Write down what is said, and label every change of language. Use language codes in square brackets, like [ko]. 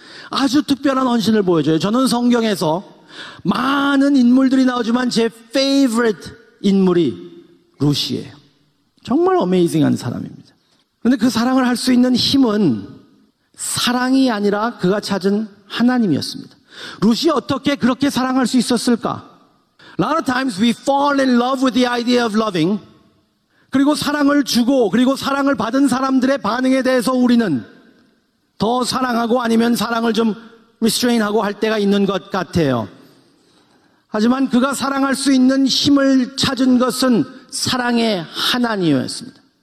[ko] 아주 특별한 헌신을 보여줘요. 저는 성경에서 많은 인물들이 나오지만 제 favorite 인물이 룻이에요. 정말 어메이징한 사람입니다. 그런데 그 사랑을 할 수 있는 힘은 사랑이 아니라 그가 찾은 하나님이었습니다. 룻이 어떻게 그렇게 사랑할 수 있었을까? [en] A lot of times we fall in love with the idea of loving. [ko] 그리고 사랑을 주고 그리고 사랑을 받은 사람들의 반응에 대해서 우리는 더 사랑하고 아니면 사랑을 좀 restrain하고 할 때가 있는 것 같아요. 하지만 그가 사랑할 수 있는 힘을 찾은 것은 사랑의 하나님이었습니다.